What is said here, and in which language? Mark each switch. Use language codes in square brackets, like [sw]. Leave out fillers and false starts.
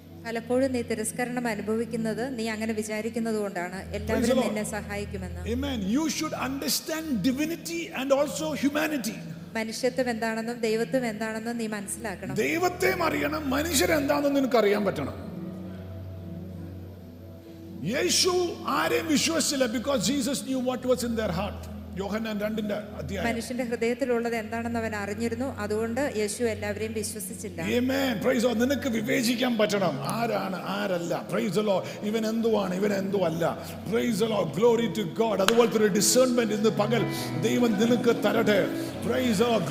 [ml] പലപ്പോഴും നീ തിരസ്കരണം അനുഭവിക്കുന്നത് നീ അങ്ങനെ വിചാരിക്കുന്നത് കൊണ്ടാണ്. എല്ലാവരും നിന്നെ സഹായിക്കുമെന്ന്. [en] Amen. You should understand divinity and also humanity. [ml] മനുഷ്യത്വം എന്താണെന്നും ദൈവത്വം എന്താണെന്നും നീ മനസ്സിലാക്കണം. ദൈവത്തെ അറിയണം, മനുഷ്യരെന്താണെന്നും നിനക്ക് അറിയാൻ പറ്റണം. യേശു ആരെ വിശ്വസിച്ചില്ല? [en] Because Jesus knew what was in their heart. [ml] യോഹന്നാൻ 2:2 അധ്യായം. മനുഷ്യന്റെ ഹൃദയത്തിലുള്ളത് എന്താണെന്ന് അവൻ അറിഞ്ഞിരുന്നു. അതുകൊണ്ട് യേശു എല്ലാവരെയും വിശ്വസിച്ചില്ല. ആമേൻ. [en] praise the [ml] നിനക്ക് വിവേചിക്കാൻ പറ്റണം ആരാണ് ആരല്ല. [en] Praise the lord. [ml] ഇവൻ എന്തുവാണ് ഇവൻ എന്തുവല്ല. [en] Praise the lord. Glory to God. [ml] അതുപോലെ ഒരു ഡിസേൺമെന്റ് ഇന്ന് പകൽ ദൈവം നിനക്ക് തരട്ടെ. [en] Praise the lord.